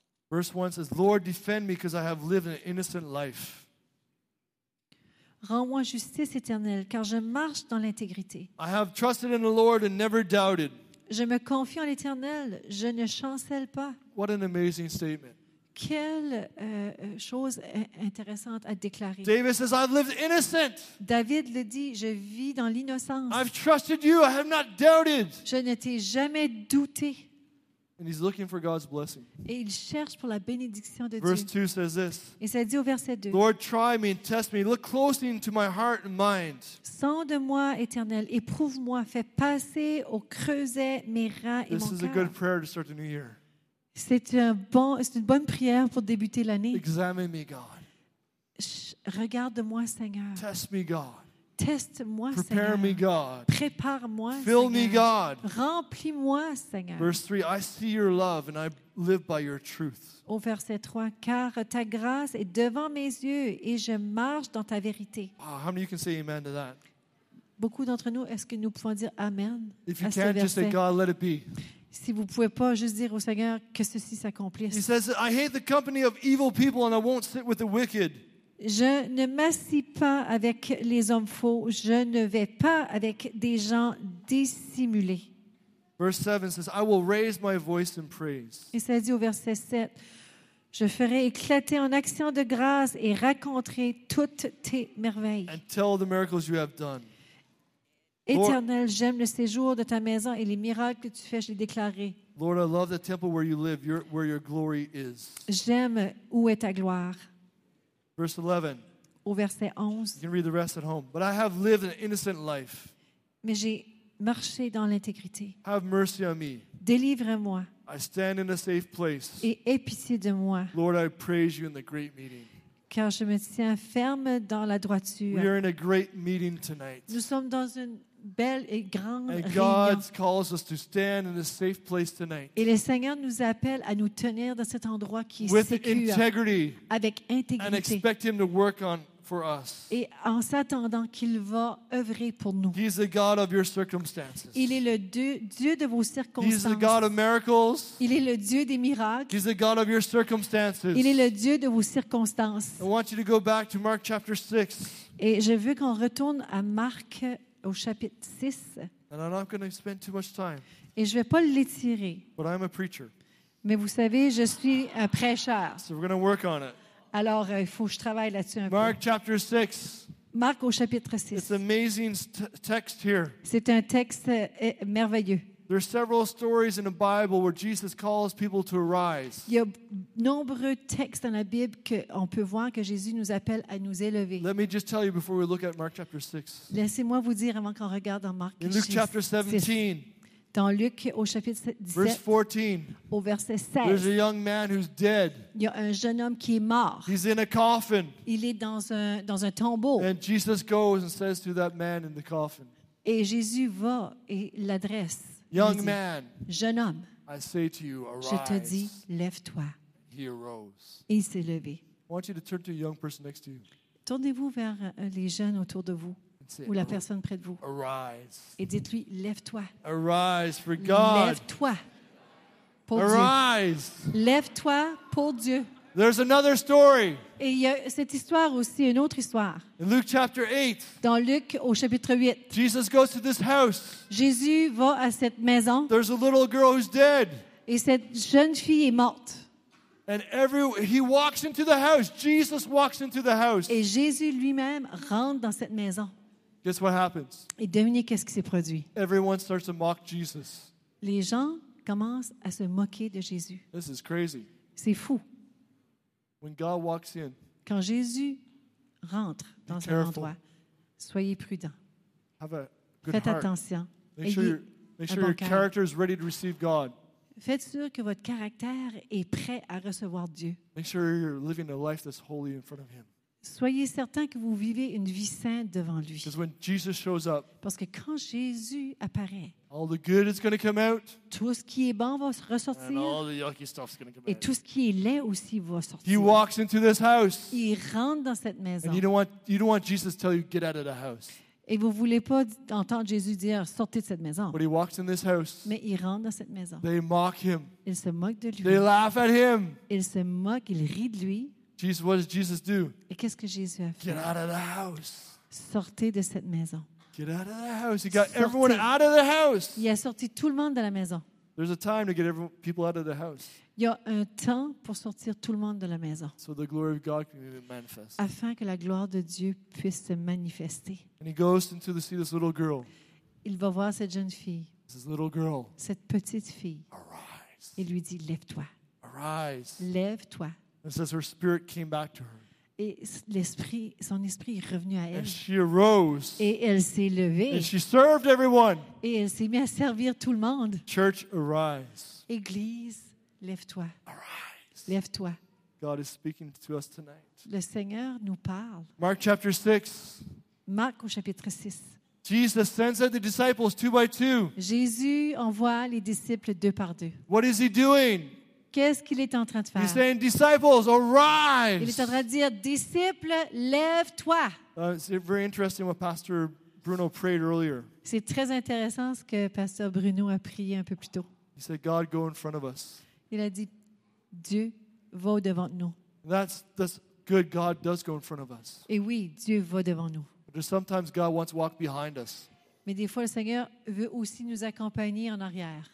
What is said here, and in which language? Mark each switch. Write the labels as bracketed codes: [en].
[en] Verse 1 says, Lord, defend me because I have lived an innocent life. [fr] Rends-moi justice éternelle, car je marche dans l'intégrité. [en] I have trusted in the Lord and never doubted. [fr] Je me confie en l'Éternel, je ne chancelle pas. [en] What an amazing statement. [fr] Quelle chose intéressante à déclarer. [en] David says, I've lived innocent. [fr] David le dit, je vis dans l'innocence. [en] I've trusted you, I have not doubted. [fr] Je ne t'ai jamais douté. [en] And he's looking for God's blessing. [fr] Et il cherche pour la bénédiction de [en] verse [fr] Dieu. [en] Verse 2 says this. [fr] Et ça dit au verset 2. [en] Lord, try me and test me. Look closely into my heart and mind. [fr] Sonde-moi, Éternel, éprouve-moi, fais passer au creuset mes reins et mon cœur. [en] This is a good prayer to start the new year. [fr] C'est une bonne prière pour débuter l'année. [en] Examine me, God. [fr] Regarde-moi, Seigneur. [en] Test me, God. [fr] Teste-moi, [en] prepare [fr] Seigneur. [en] Me, God. [fr] Prépare-moi, [en] fill Me, God. [fr] Remplis-moi, Seigneur. [en] Verse 3, I see your love and I live by your truth. [fr] Au verset 3, car ta grâce est devant mes yeux et je marche dans ta vérité. [en] Wow, how many of you can say amen to that? [fr] Beaucoup d'entre nous, est-ce que nous pouvons dire amen [en] if you [fr] à ce verset? [en] Just say, God, let it be. [fr] Si vous ne pouvez pas juste dire au Seigneur que ceci s'accomplisse. [en] He says, I hate the company of evil people and I won't sit with the wicked. [fr] Je ne m'assis pas avec les hommes faux. Je ne vais pas avec des gens dissimulés. [en] Verse 7 says, I will raise my voice in praise. [fr] Et ça dit au verset 7, je ferai éclater en actions de grâce et raconterai toutes tes merveilles. [en] And tell the miracles you have done. [fr] Éternel, Lord, j'aime le séjour de ta maison et les miracles que tu fais, je les déclarerai. [en] Lord, I love the temple where you live, where your glory is. [fr] J'aime où est ta gloire. [en] Verse 11. [fr] Au verset 11. [en] You can read the rest at home. But I have lived an innocent life. [fr] Mais j'ai marché dans l'intégrité. [en] Have mercy on me. [fr] Délivre-moi. [en] I stand in a safe place. [fr] Et aie pitié de moi. [en] Lord, I praise you in the great meeting. [fr] Car je me tiens ferme dans la droiture. [en] We are in a great meeting tonight. [fr] Nous sommes dans une belle et grande réunion. [en] And God calls us to stand in a safe place tonight. [fr] Et le Seigneur nous appelle à nous tenir dans cet endroit qui est [en] with [fr] sécure, [en] integrity, [fr] avec intégrité. [en] And expect Him to work on for us. [fr] Et en s'attendant qu'il va œuvrer pour nous. [en] He is the God of your circumstances. [fr] Il est le Dieu de vos circonstances. [en] He is the God of miracles. [fr] Il est le Dieu des miracles. [en] He is the God of your circumstances. [fr] Il est le Dieu de vos circonstances. [en] I want you to go back to Mark chapter 6. [fr] Et je veux qu'on retourne à Marc au chapitre 6. [en] And I'm not going to spend too much time. [fr] Et je vais pas l'étirer. [en] But I'm a preacher. [fr] Mais vous savez, je suis un prêcheur. [en] So we're going to work on it. [fr] Alors, il faut que je travaille là-dessus un [en] Mark [fr] peu. [en] Mark chapter 6. [fr] Marc au chapitre 6. [en] It's an amazing text here. [fr] C'est un texte merveilleux. [en] There are several stories in the Bible where Jesus calls people to arise. [fr] Il y a nombreux textes dans la Bible qu'on peut voir que Jésus nous appelle à nous élever. [en] Let me just tell you before we look at Mark chapter 6. [fr] Laissez-moi vous dire avant qu'on regarde dans Marc 6. [en] In Luke chapter 17. [fr] Dans Luc, au chapitre 17, [en] verse 14, [fr] au verset 16, [en] there's a young man who's dead. [fr] Il y a un jeune homme qui est mort. [en] He's in a coffin. [fr] Il est dans un tombeau. [en] And Jesus goes and says to that man in the coffin. [fr] Et Jésus va et l'adresse. [en] Young [fr] dit, [en] man, [fr] jeune homme, [en] I say to you, arise. [fr] Je te dis, lève-toi. [en] He arose. [fr] Il s'est levé. [en] I want you to turn to a young person next to you. [fr] Tournez-vous vers les jeunes autour de vous. Ou la personne près de vous. [en] Arise. [fr] Et dites-lui, lève-toi. [en] Arise for God. [fr] Lève-toi pour [en] arise. [fr] Dieu. Lève-toi pour Dieu. [en] There's another story. [fr] Et il y a cette histoire aussi, une autre histoire. [en] In Luke chapter 8. [fr] Dans Luc au chapitre 8. [en] Jesus goes to this house. [fr] Jésus va à cette maison. [en] There's a little girl who's dead. [fr] Et cette jeune fille est morte. [en] And he walks into the house. Jesus walks into the house. [fr] Et Jésus lui-même rentre dans cette maison. [en] Guess what happens? [fr] Et devinez qu'est-ce qui s'est produit? [en] Everyone starts to mock Jesus. [fr] Les gens commencent à se moquer de Jésus. [en] This is crazy. [fr] C'est fou. [en] When God walks in, [fr] quand Jésus rentre dans un endroit, soyez prudent. [en] Have a good [fr] faites [en] heart. [fr] Attention. [en] Make sure your character is ready to receive God. [fr] Faites sûr que votre caractère est prêt à recevoir Dieu. [en] Make sure you're living a life that's holy in front of Him. [fr] Soyez certains que vous vivez une vie sainte devant lui. [en] Because when Jesus shows up, [fr] parce que quand Jésus apparaît, [en] all the good is going to come out, [fr] tout ce qui est bon va ressortir, [en] and all the yucky stuff is going to come out. [fr] Et tout ce qui est laid aussi va sortir. [en] He walks into this house, [fr] il rentre dans cette maison. [en] And you don't want Jesus to tell you get out of the house. [fr] Et vous ne voulez pas entendre Jésus dire « Sortez de cette maison. » [en] But he walks in this house. [fr] Mais il rentre dans cette maison. [en] They mock him. [fr] Ils se moquent de lui. [en] They laugh at him. [fr] Ils se moquent, ils rient de lui. [en] Jesus, what does Jesus do? [fr] Et qu'est-ce que Jésus a fait? [en] Get out of the house. [fr] Sortez de cette maison. [en] Get out of the house. He got everyone out of the house. [fr] Il a sorti tout le monde de la maison. [en] There's a time to get everyone, people out of the house. [fr] Il y a un temps pour sortir tout le monde de la maison. [en] So the glory of God can be manifested. [fr] Afin que la gloire de Dieu puisse se manifester. [en] And he goes into to see this little girl. [fr] Il va voir cette jeune fille. [en] This little girl. [fr] Cette petite fille. [en] Arise. [fr] Il lui dit, lève-toi. [en] Arise. [fr] Lève-toi. [en] It says her spirit came back to her. [fr] Et l'esprit, son esprit est revenu à elle. [en] And she arose. [fr] Et elle s'est levée. [en] And she served everyone. [fr] Et elle s'est mise à servir tout le monde. [en] Church, arise. [fr] Église. Lève-toi. [en] Arise. [fr] Lève-toi. [en] God is speaking to us tonight. [fr] Le Seigneur nous parle. [en] Mark chapter 6. [fr] Marc au chapitre 6. [en] Jesus sends out the disciples two by two. [fr] Jésus envoie les disciples deux par deux. [en] What is he doing? [fr] Qu'est-ce qu'il est en train de faire? [en] He's saying, disciples, arise. [fr] Il est en train de dire, disciples, lève-toi. [en] It's very interesting what Pastor Bruno prayed earlier. [fr] C'est très intéressant ce que Pasteur Bruno a prié un peu plus tôt. [en] He said, God, go in front of us. [fr] Il a dit, Dieu va devant nous. [en] That's good. God does go in front of us. [fr] Et oui, Dieu va devant nous. [en] But sometimes God wants to walk behind us. [fr] Mais des fois, le Seigneur veut aussi nous accompagner en arrière.